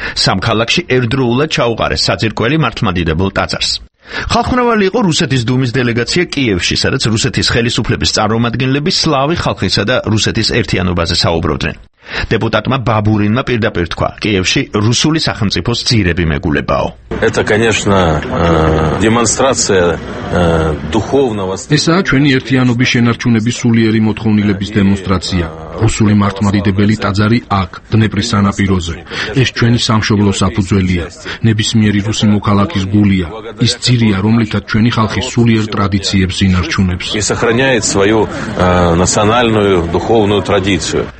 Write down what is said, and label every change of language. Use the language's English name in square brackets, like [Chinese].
[Georgian] სამ ქალაქში ერთდროულად ჩაუყარეს საძირკველი მართლმადიდებელ ტაძარს. ხალხმრავალი იყო რუსეთის დუმის დელეგაცია კიევში, სადაც რუსეთის ხელისუფლების წარმომადგენლები სლავი ხალხისა და რუსეთის ერთიანობაზე საუბრობდნენ. Депутатма Бабуринма პირდაპირ თქვა: "კიევში რუსული სახელმწიფოს ძირები მეგულებაო." [Russian] Это, конечно, демонстрация [Georgian] ესაა ჩვენი ერთიანობის შენარჩუნების სულიერი მოთხოვნილების დემონსტრაცია. რუსული მართლმადიდებელი ტაძარი აქ, დნეპრის სანაპიროზე. ეს ჩვენი სამშობლო საფუძველია, ნებისმიერი რუსი მოქალაქის გულია, ის ძირია, რომლითაც ჩვენი ხალხი სულიერ ტრადიციებს ინარჩუნებს.